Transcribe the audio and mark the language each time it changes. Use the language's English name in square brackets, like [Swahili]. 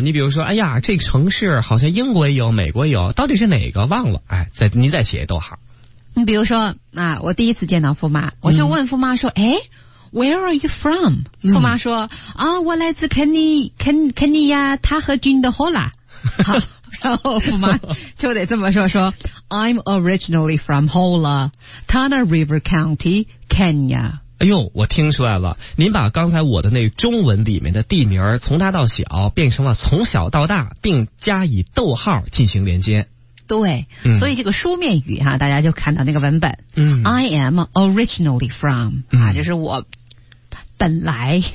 [Chinese] 你比如说，哎呀，这个城市好像英国也有，美国也有，到底是哪个忘了，哎，再你再写一逗号。你比如说啊，我第一次见到富妈，我就问富妈说，哎， [English] Where are you from? [Chinese] 富妈说啊，我来自肯尼亚塔河郡的霍拉。然后富妈就得这么说，说 [English] I'm originally from Hola, Tana River County, Kenya。 [Chinese] 哎呦，我听出来了，您把刚才我的那中文里面的地名从大到小变成了从小到大，并加以逗号进行连接。对，所以这个书面语哈、大家就看到那个文本。 [English] I am originally from, [Chinese] 啊，就是我本来。